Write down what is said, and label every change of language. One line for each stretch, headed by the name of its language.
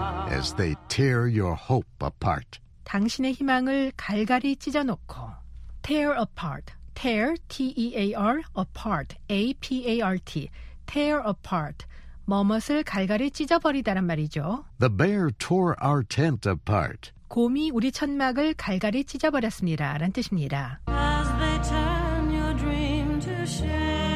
English: As they tear your hope apart.
Korean: 당신의 희망을 갈갈이 찢어놓고
English: tear apart, tear, T-E-A-R, apart, A-P-A-R-T, tear apart,
Korean: 뭐뭇을 갈갈이 찢어버리다란 말이죠.
English: The bear tore our tent apart.
Korean: 곰이 우리 천막을 갈갈이 찢어버렸습니다, 라는 뜻입니다.
English: As they turn your dream to shame.